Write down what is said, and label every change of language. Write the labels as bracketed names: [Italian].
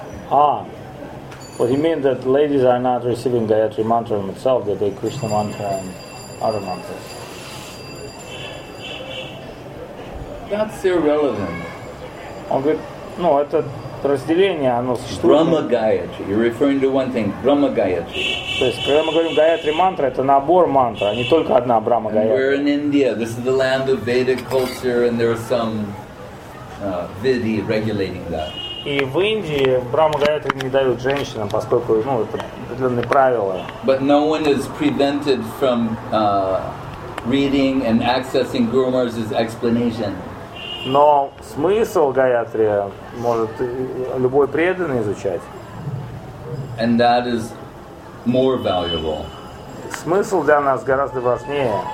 [English] А, what you mean that ladies are not receiving Gayatri mantra itself, that they Krishna mantra and other mantras? That's irrelevant. [Russian] Он говорит, ну, это разделение, оно существует. [English] Brahma Gayatri. You're referring to one thing. Brahma Gayatri. [Russian] То есть, когда мы говорим Гаятри мантра, это набор мантра, не только одна Брахма Гаятри. [English] We're in India. This is the land of Vedic culture, and there are some vidhi regulating that. [Russian] И в Индии Брахма Гаятри не дают женщинам, поскольку, ну, это определенные правила. [English] But no one is prevented from reading and accessing Guru Maharaj's explanation. [Russian] Но смысл Гаятри может любой преданный изучать. [English] And that is more valuable. [Russian] Смысл для нас гораздо важнее.